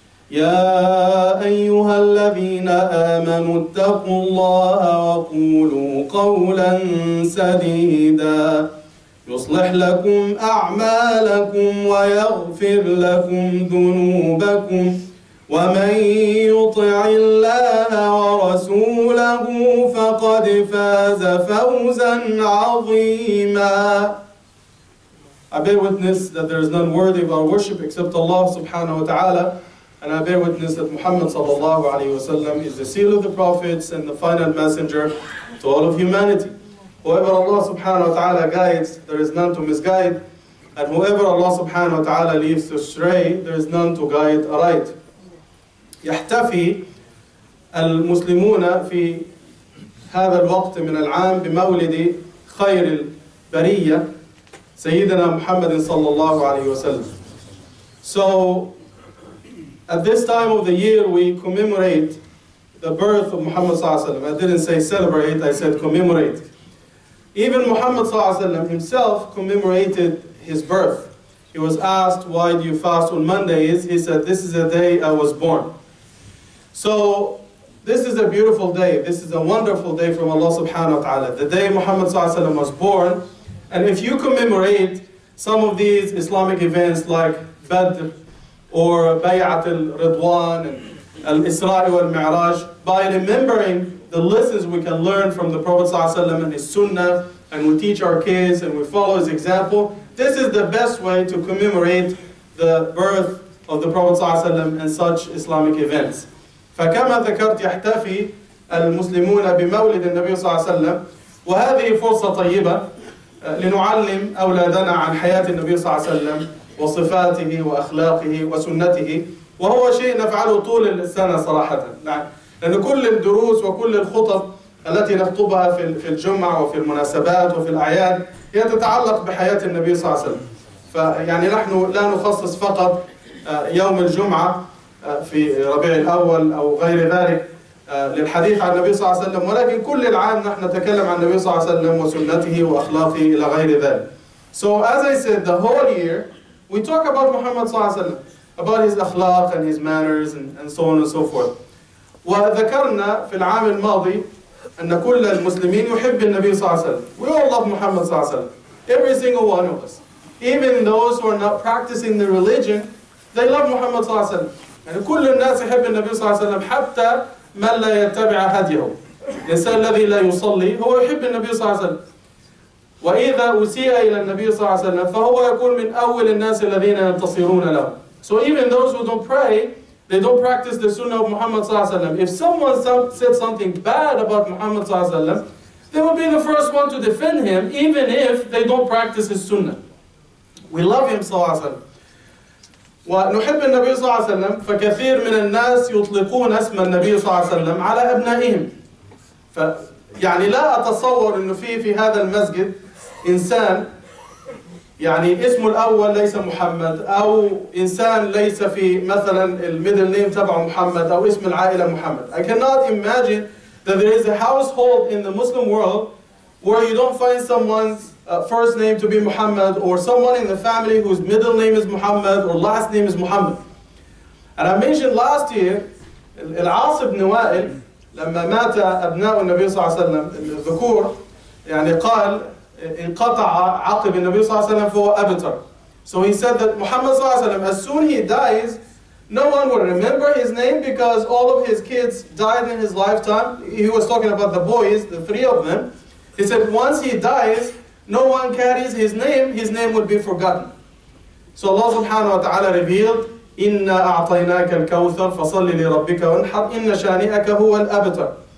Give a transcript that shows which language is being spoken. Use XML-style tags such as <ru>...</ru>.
<ar>يا أيها الذين آمنوا اتقوا الله وقولوا قولا سديدا يصلح لكم أعمالكم ويغفر لكم ذنوبكم ومن يطع الله ورسوله فقد فاز فوزا عظيما.</ar> <en>I bear witness that there is none worthy of our worship except Allah subhanahu wa ta'ala, and I bear witness that Muhammad sallallahu alayhi wa sallam is the seal of the prophets and the final messenger to all of humanity. Whoever Allah subhanahu wa ta'ala guides, there is none to misguide, and whoever Allah subhanahu wa ta'ala leaves to stray, there is none to guide aright.</en> <ar>يحتفي المسلمون في هذا الوقت من العام بمولد خير البرية سيدنا محمد صلى الله عليه وسلم.</ar> <en>So at this time of the year we commemorate the birth of Muhammad صلى الله عليه وسلم. I didn't say celebrate, I said commemorate. Even Muhammad صلى الله عليه وسلم himself commemorated his birth. He was asked, why do you fast on Mondays? He said, this is the day I was born. So this is a beautiful day. This is a wonderful day from Allah subhanahu wa ta'ala. The day Muhammad sallallahu alayhi wa sallam was born. And if you commemorate some of these Islamic events like Badr or Bay'at al-Ridwan and al-Isra'i wal-Mi'raj, by remembering the lessons we can learn from the Prophet sallallahu alayhi wa sallam and his sunnah, and we teach our kids and we follow his example, this is the best way to commemorate the birth of the Prophet sallallahu alayhi wa sallam and such Islamic events.</en> <ar>فكما ذكرت يحتفي المسلمون بمولد النبي صلى الله عليه وسلم وهذه فرصة طيبة لنعلم أولادنا عن حياة النبي صلى الله عليه وسلم وصفاته وأخلاقه وسنته وهو شيء نفعله طول السنة صراحة لأن كل الدروس وكل الخطب التي نخطبها في الجمعة وفي المناسبات وفي الأعياد هي تتعلق بحياة النبي صلى الله عليه وسلم فيعني نحن لا نخصص فقط يوم الجمعة في ربيع الأول أو غير ذلك للحديث عن النبي صلى الله عليه وسلم ولكن كل العام نحن نتكلم عن النبي صلى الله عليه وسلم وسنته وأخلاقه إلى غير ذلك.</ar> <en>So as I said, the whole year we talk about Muhammad صلى الله عليه وسلم about his أخلاق and his manners and so on and so forth.</en> <ar>وذكرنا في العام الماضي أن كل المسلمين يحب النبي صلى الله عليه وسلم.</ar> <en>We all love Muhammad</en> <ar>صلى الله عليه وسلم.</ar> <en>Every single one of us, even those who are not practicing the religion, they love Muhammad صلى الله عليه وسلم.</en> <ar>يعني كل الناس يحب النبي صلى الله عليه وسلم حتى من لا يتبع هديه الإنسان الذي لا يصلي هو يحب النبي صلى الله عليه وسلم وإذا أسيء إلى النبي صلى الله عليه وسلم فهو يكون من أول الناس الذين ينتصرون له.</ar> <en>So even those who don't pray, they don't practice the sunnah of Muhammad صلى الله عليه وسلم. If someone said something bad about Muhammad صلى الله عليه وسلم, they will be the first one to defend him even if they don't practice his sunnah. We love him</en> <ar>صلى الله عليه وسلم ونحب النبي صلى الله عليه وسلم فكثير من الناس يطلقون اسم النبي صلى الله عليه وسلم على أبنائهم يعني لا أتصور أنه في هذا المسجد إنسان يعني اسمه الأول ليس محمد أو إنسان ليس في مثلا الميدل نيم تبع محمد أو اسم العائلة محمد.</ar> <en>I cannot imagine that there is a household in the Muslim world where you don't find someone's first name to be Muhammad or someone in the family whose middle name is Muhammad or last name is Muhammad. And I mentioned last year,</en> <ar>Al-As ibn Wa'il, لما مات أبناء النبي صلى الله عليه وسلم الذكور يعني قال انقطع عقب النبي صلى الله عليه وسلم فهو أبتر.</ar> <en>So he said that Muhammad صلى الله عليه وسلم, as soon he dies, no one will remember his name because all of his kids died in his lifetime. He was talking about the boys, the three of them. He said, once he dies, no one carries his name will be forgotten. So Allah subhanahu wa ta'ala revealed,</en> <ar>إِنَّا أَعْطَيْنَاكَ الْكَوْثَرَ فَصَلِّ لِرَبِّكَ وَانْحَرْ إِنَّ شَانِئَكَ هُوَ الْأَبْتَرَ.</ar>